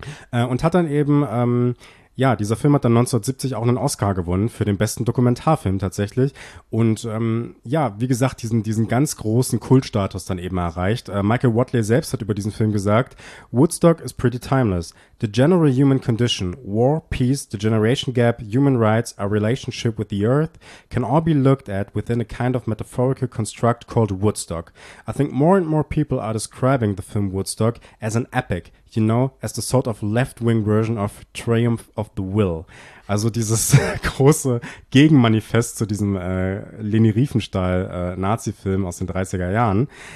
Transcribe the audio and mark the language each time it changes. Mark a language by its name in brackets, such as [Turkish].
[German] Und hat dann eben, ja, dieser Film hat dann 1970 auch einen Oscar gewonnen für den besten Dokumentarfilm tatsächlich. Und ja, wie gesagt, diesen ganz großen Kultstatus dann eben erreicht. Michael Whatley selbst hat über diesen Film gesagt, [English] Woodstock is pretty timeless. The general human condition, war, peace, the generation gap, human rights, our relationship with the earth can all be looked at within a kind of metaphorical construct called Woodstock. I think more and more people are describing the film Woodstock as an epic, you know, as the sort of left-wing version of Triumph of the Will. [German] Also dieses große Gegenmanifest zu diesem Leni Riefenstahl Nazi-Film aus den 30er Jahren.